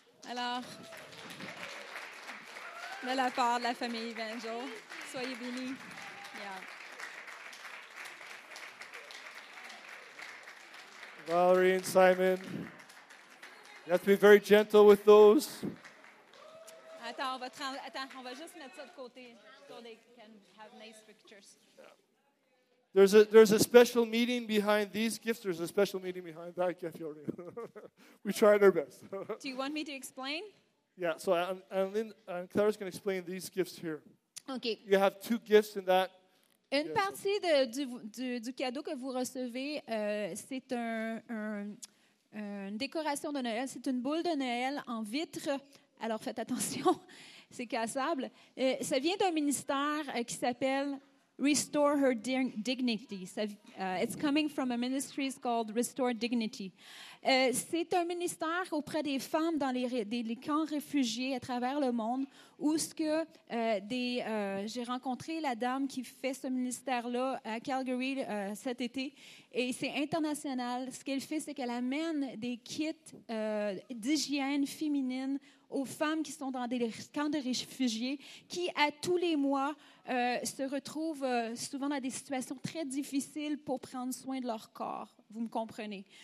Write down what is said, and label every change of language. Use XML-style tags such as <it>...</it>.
<fr>Alors, de la part de la famille Evangel, soyez bénis.</fr> <en>Yeah. Valerie and Simon, you have to be very gentle with those.</en> <fr>Attends, on va juste mettre ça de côté</fr> <en>so they can have nice pictures. There's a special meeting behind these gifts. There's a special meeting behind that gift. We tried our best. Do you want me to explain? Yeah, so and Claire's going to explain these gifts here. Okay. You have two gifts in that</en> <fr>Une partie de, du cadeau que vous recevez, c'est une décoration de Noël. C'est une boule de Noël en vitre. Alors, faites attention, c'est cassable. Ça vient d'un ministère qui s'appelle Restore Her Dignity.</fr> <en>It's coming from a ministry called Restore Dignity.</en> <fr>C'est un ministère auprès des femmes dans les camps réfugiés à travers le monde où ce que j'ai rencontré la dame qui fait ce ministère-là à Calgary cet été, et c'est international. Ce qu'elle fait, c'est qu'elle amène des kits d'hygiène féminine aux femmes qui sont dans des camps de réfugiés, qui à tous les mois se retrouvent souvent dans des situations très difficiles pour prendre soin de leur corps. Vous me comprenez?</fr>